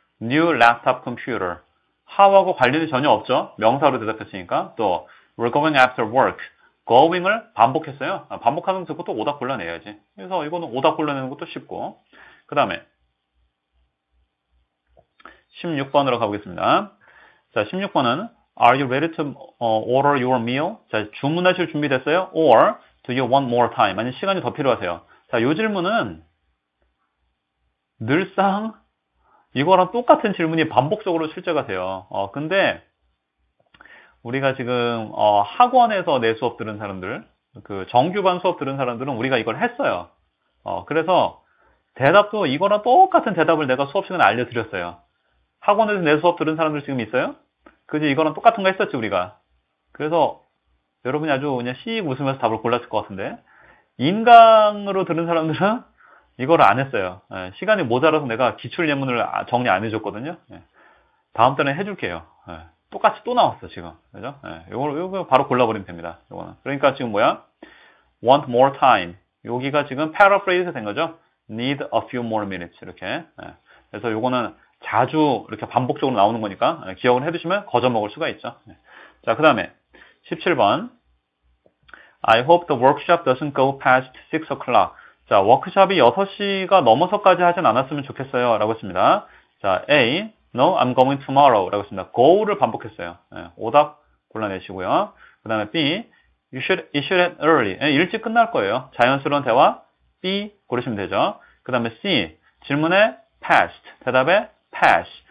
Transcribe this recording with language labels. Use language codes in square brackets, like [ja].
[en] New laptop computer. [ko] How하고 관련이 전혀 없죠. 명사로 대답했으니까. 또 [en] We're going after work. [ko] Going을 반복했어요. 반복하면서 그것도 오답 골라내야지. 그래서 이거는 오답 골라내는 것도 쉽고. 그다음에 16번으로 가보겠습니다. 자, 16번은 [en] Are you ready to order your meal? [ko] 자, 주문하실 준비됐어요? [en] Or do you want more time? [ko] 만약 시간이 더 필요하세요. 자, 요 질문은 늘상 이거랑 똑같은 질문이 반복적으로 출제가 돼요. 근데 우리가 지금 학원에서 내 수업 들은 사람들, 그 정규반 수업 들은 사람들은 우리가 이걸 했어요. 그래서 대답도 이거랑 똑같은 대답을 내가 수업 시간에 알려드렸어요. 학원에서 내 수업 들은 사람들 지금 있어요? 그지? 이거랑 똑같은 거 했었지 우리가. 그래서 여러분이 아주 그냥 씩 웃으면서 답을 골랐을 것 같은데, 인강으로 들은 사람들은 이걸 안 했어요. 예, 시간이 모자라서 내가 기출 예문을 정리 안 해줬거든요. 예, 다음 달에 해줄게요. 예, 똑같이 또 나왔어 지금. 그죠? 예, 요거 바로 골라버리면 됩니다. 요거는. 그러니까 지금 뭐야? [en] Want more time. [ko] 여기가 지금 paraphrase 된 거죠? [en] Need a few more minutes. [ko] 이렇게. 예, 그래서 요거는 자주 이렇게 반복적으로 나오는 거니까, 예, 기억을 해두시면 거저먹을 수가 있죠. 예. 자, 그 다음에 17번. [en] I hope the workshop doesn't go past 6 o'clock. [ko] 자, 워크숍이 6시가 넘어서까지 하진 않았으면 좋겠어요. 라고 했습니다. 자, A, [en] No, I'm going tomorrow. [ko] 라고 했습니다. Go를 반복했어요. 예, 오답 골라내시고요. 그 다음에 B, [en] you should early. [ko] 예, 일찍 끝날 거예요. 자연스러운 대화 B 고르시면 되죠. 그 다음에 C, 질문에 past, 대답에 pass.